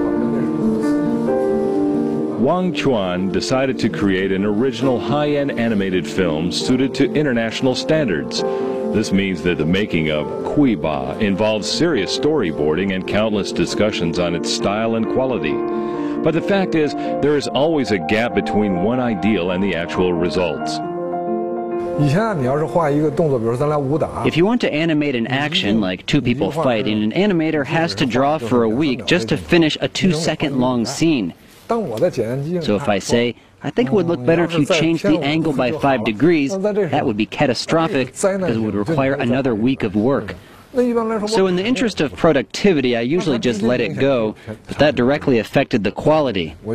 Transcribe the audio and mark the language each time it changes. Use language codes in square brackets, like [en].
[en] Wang Chuan decided to create an original high-end animated film suited to international standards. This means that the making of Kuiba involves serious storyboarding and countless discussions on its style and quality. But the fact is, there is always a gap between one ideal and the actual results. [zh] 以前你要是画一个动作比如咱俩武打 [en] If you want to animate an action like two people fighting an animator has to draw for a week just to finish a 2 second long scene So if I say I think it would look better if you changed the angle by 5 degrees that would be catastrophic because it would require another week of work So in the interest of productivity, I usually just let it go, but that directly affected the quality.